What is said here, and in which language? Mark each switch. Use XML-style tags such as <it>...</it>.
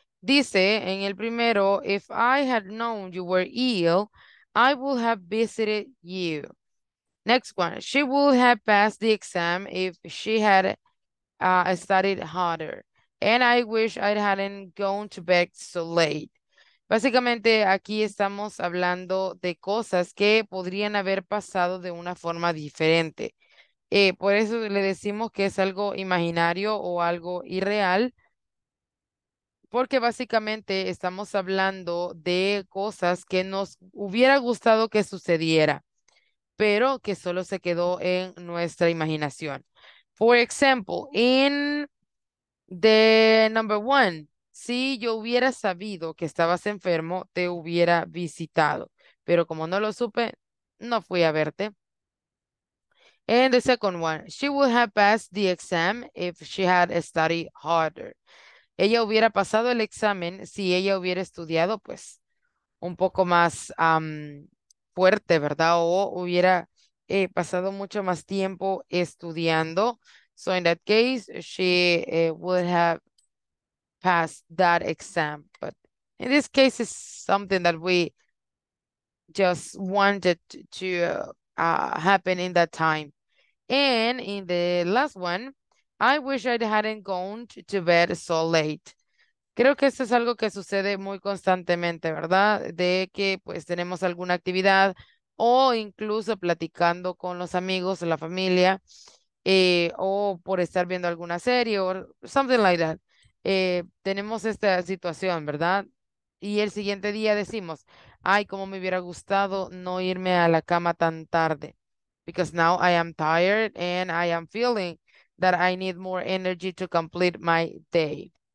<es>Dice en el primero,</es> <en>if I had known you were ill, I would have visited you. Next one, she would have passed the exam if she had studied harder. And I wish I hadn't gone to bed so late.</en> <es>Básicamente, aquí estamos hablando de cosas que podrían haber pasado de una forma diferente. Por eso le decimos que es algo imaginario o algo irreal, porque básicamente estamos hablando de cosas que nos hubiera gustado que sucediera, pero que solo se quedó en nuestra imaginación.</es> <en>For example, in the number one,</en> <es>si yo hubiera sabido que estabas enfermo, te hubiera visitado. Pero como no lo supe, no fui a verte.</es> <en>And the second one, she would have passed the exam if she had studied harder.</en> <es>Ella hubiera pasado el examen si ella hubiera estudiado, pues, un poco más fuerte, ¿verdad? O hubiera pasado mucho más tiempo estudiando.</es> <en>So in that case, she would have passed that exam. But in this case, it's something that we just wanted to happen in that time. And in the last one, I wish I hadn't gone to bed so late.</en> <es>Creo que esto es algo que sucede muy constantemente, ¿verdad? De que pues tenemos alguna actividad o incluso platicando con los amigos o la familia o por estar viendo alguna serie o</es> <en>something like that.</en> <es>Tenemos esta situación, ¿verdad? Y el siguiente día decimos, ay, cómo me hubiera gustado no irme a la cama tan tarde.</es> <en>Because now I am tired and I am feeling that I need more energy to complete my day.</en>